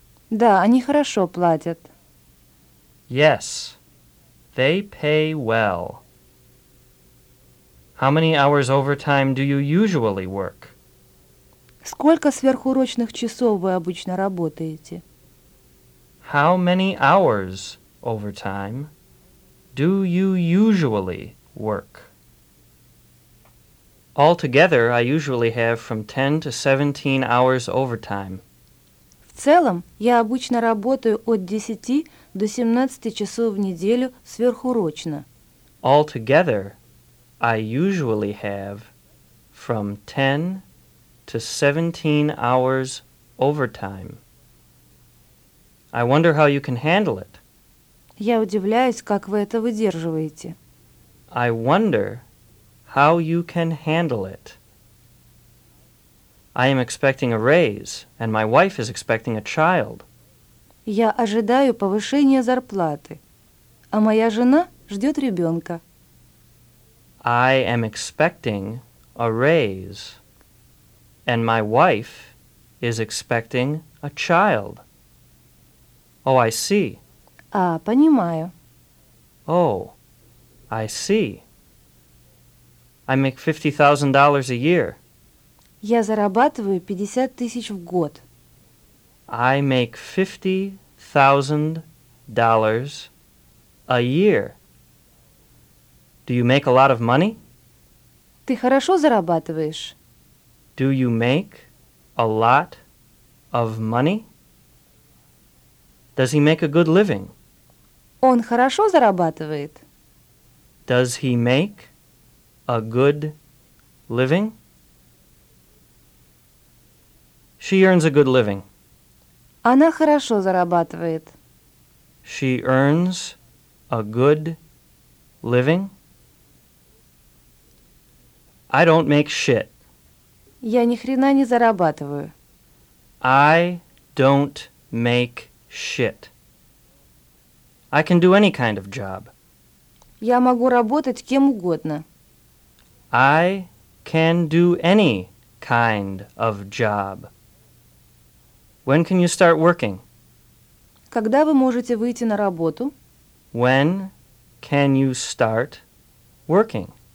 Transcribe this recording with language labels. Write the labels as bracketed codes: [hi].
[ru] Да, они хорошо платят. [en] Yes, they pay well. How many hours overtime do you usually work? [ru] Сколько сверхурочных часов вы обычно работаете? [en] How many hours overtime do you usually work? Altogether, I usually have from 10 to 17 hours overtime. [ru] В целом, я обычно работаю от 10 до 17 часов в неделю сверхурочно. [en] Altogether, I usually have from 10 to 17 hours overtime. I wonder how you can handle it. [ru] Я удивляюсь, как вы это выдерживаете. [en] I wonder how you can handle it. I am expecting a raise, and my wife is expecting a child. [ru] Я ожидаю повышения зарплаты, а моя жена ждет ребенка. [en] I am expecting a raise, and my wife is expecting a child. Oh, I see. [ru] А, понимаю. [en] Oh, I see. I make $50,000 a year. [ru] Я зарабатываю 50 тысяч в год. [en] I make $50,000 a year. Do you make a lot of money? [ru] Ты хорошо зарабатываешь. [en] Do you make a lot of money? Does he make a good living? [ru] Он хорошо зарабатывает. [en] Does he make a good living? She earns a good living. [ru] Она хорошо зарабатывает. [en] She earns a good living. I don't make shit. [ru] Я ни хрена не зарабатываю. [en] I don't make shit. I can do any kind of job. [ru] Я могу работать кем угодно. [en] I can do any kind of job. When can you start working? [ru] Когда вы можете выйти на работу? [en] When can you start working?